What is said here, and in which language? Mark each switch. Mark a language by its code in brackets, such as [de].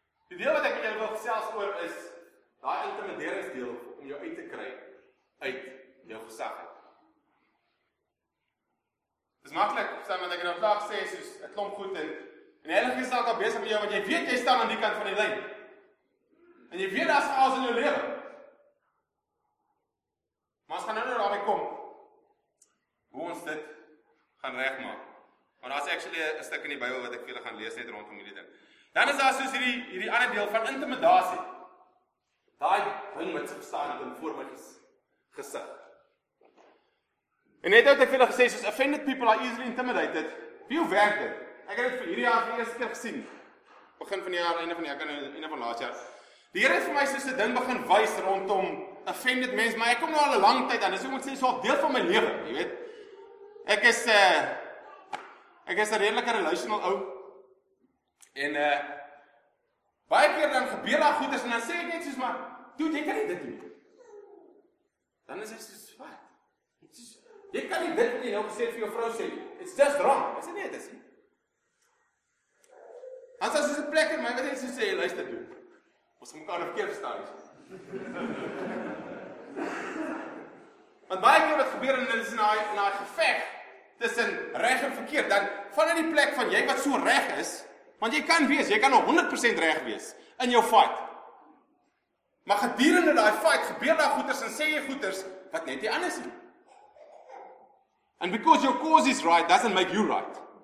[af] Die deel wat ek met julle wil gesels oor is daai intimideringsdeel om jou uit te kry uit jou gesag. Dis maklik, staan wat ek nou klaar sê, soos 'n klomp goed en die Heilige Gees staan daar besig met jou, want jy weet jy staan aan die kant van die lyn. En jy weet daar's chaos in jou lewe. Maar as gaan nou nou daarmee kom, hoe ons dit gaan regmaak. Maar daar's actually 'n stuk in die Bybel wat ek vir julle gaan lees net rondom hierdie ding. Dan is daar soos hierdie ander deel van intimidasie. Daai ding wat staan in voor my gesig. En net wat ek vir julle gesê het, soos [en] offended people are easily intimidated. [af] Wie hoe werk dit? Ek het dit vir hierdie jaar vir eers keer gesien. Begin van die jaar, einde van die jaar, einde van laas jaar. Die Here het vir my soos 'n ding begin wys rondom offended mense, maar ek kom nou al 'n lang tyd aan. Dis hoe moet sê, so 'n deel van my lewe, jy weet. Ek is 'n redelike relational ou. En baie keer dan gebeur daar goeders en dan sê ek net soos maar, "Dude, jy kan nie dit doen nie." Dan is hy soos, "Wat? Jy kan nie dit nie." Nou gesê vir jou vrou sê, [en] "It's just wrong." [af] Ek sê nee, dit is nie. Hans as jy 'n plek in my wat jy so sê, luister toe. Ons moet mekaar verkeerd verstaan. Want baie keer wat gebeur in hulle is in daai geveg tussen reg en verkeerd, dan van in die plek van jy wat so reg is, want jy kan wees, jy kan 100% reg wees in jou fight. Maar gedurende daai fight gebeur daar goeters en sê jy goeters wat net nie anders nie. [en] And because your cause is right doesn't make you right.